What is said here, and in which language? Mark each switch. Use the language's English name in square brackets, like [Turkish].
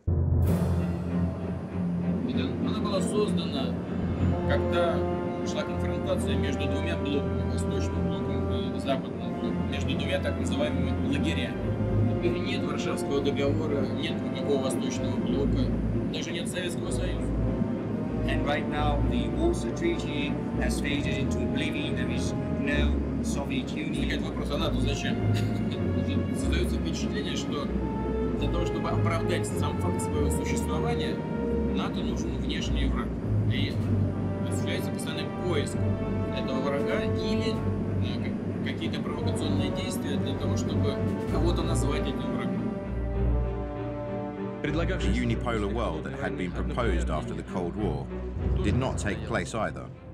[Russian] Она была создана, когда шла конфронтация между двумя блоками, восточным блоком и западным блоком, между двумя так называемыми лагерями. Теперь нет Варшавского договора, нет никакого восточного блока, даже нет Советского Союза. [English] And right now the Warsaw Treaty has faded into oblivion. There is no Soviet Union. [Russian] Возникает вопрос, а НАТО зачем? Создается впечатление, что для того, чтобы оправдать сам факт своего существования, НАТО нужен внешний враг. Осуществляется постоянный поиск этого врага или какие-то провокационные действия для того, чтобы кого-то назвать этим врагом. [English] The unipolar world that had been proposed after the Cold War did not take place either.